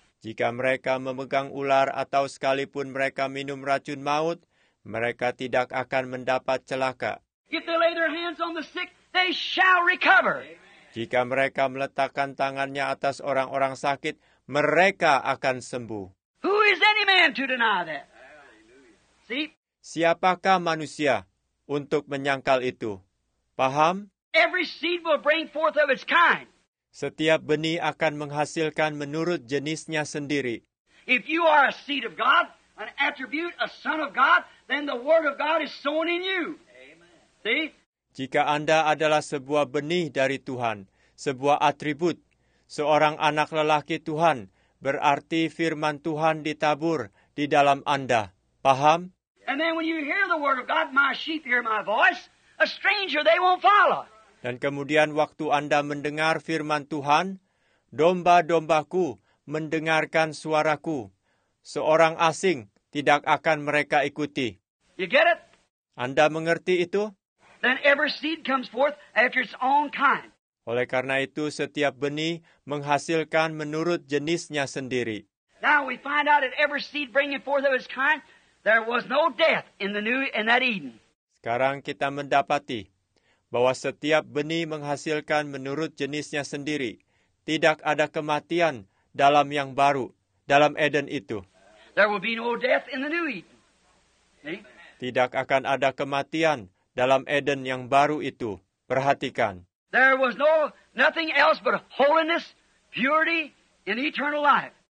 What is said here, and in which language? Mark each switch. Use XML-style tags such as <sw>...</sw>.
<id>Jika mereka memegang ular atau sekalipun mereka minum racun maut, mereka tidak akan mendapat celaka.</id> <en>If they lay their hands on the sick, they shall recover.</en> <id>Jika mereka meletakkan tangannya atas orang-orang sakit, mereka akan sembuh.</id> <en>Who is any man to deny that? See?</en> <id>Siapakah manusia untuk menyangkal itu? Paham?</id> <en>Every seed will bring forth of its kind.</en> <id>Setiap benih akan menghasilkan menurut jenisnya sendiri.</id> <en>If you are a seed of God, an attribute, a son of God, then the word of God is sown in you. Amen. See?</en> <id>Jika Anda adalah sebuah benih dari Tuhan, sebuah atribut, seorang anak lelaki Tuhan, berarti firman Tuhan ditabur di dalam Anda. Paham?</id> <en>And then when you hear the word of God, my sheep hear my voice, a stranger they won't follow.</en> <id>Dan kemudian waktu Anda mendengar firman Tuhan, domba-dombaku mendengarkan suaraku. Seorang asing tidak akan mereka ikuti.</id> <en>You get it?</en> <id>Anda mengerti itu?</id> <en>Then every seed comes forth after its own kind.</en> <id>Oleh karena itu, setiap benih menghasilkan menurut jenisnya sendiri.</id> <en>Now we find out that every seed bringing forth of its kind, there was no death in the new in that Eden.</en> <id>Sekarang kita mendapati bahwa setiap benih menghasilkan menurut jenisnya sendiri, tidak ada kematian dalam yang baru, dalam Eden itu.</id> <en>There will be no death in the new Eden.</en> <id>Tidak akan ada kematian dalam Eden yang baru itu. Perhatikan.</id> <en>There was nothing else but holiness, purity, and eternal life.</en>